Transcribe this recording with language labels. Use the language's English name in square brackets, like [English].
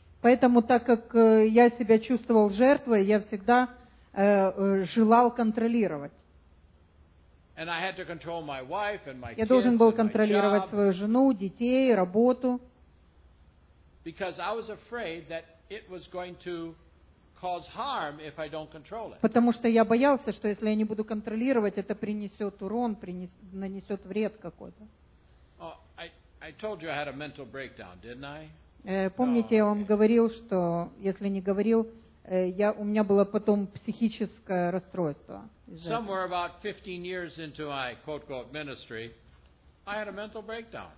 [Russian] Поэтому, так как я себя чувствовал жертвой, я всегда желал контролировать. [English] And I had to control my wife and my kids and my [Russian] job. Я должен был контролировать свою жену, детей, работу. [English] Because I was afraid that it was going to cause harm if I don't control it. [Russian] Потому что я боялся, что если я не буду контролировать, это принесет урон, нанесет вред какой-то. [English] Oh, I told you I had a mental breakdown, didn't I? [Russian] Помните, я вам говорил, что если не говорил, у меня было потом психическое расстройство. [English] Somewhere about 15 years into my quote-unquote ministry, I had a mental breakdown.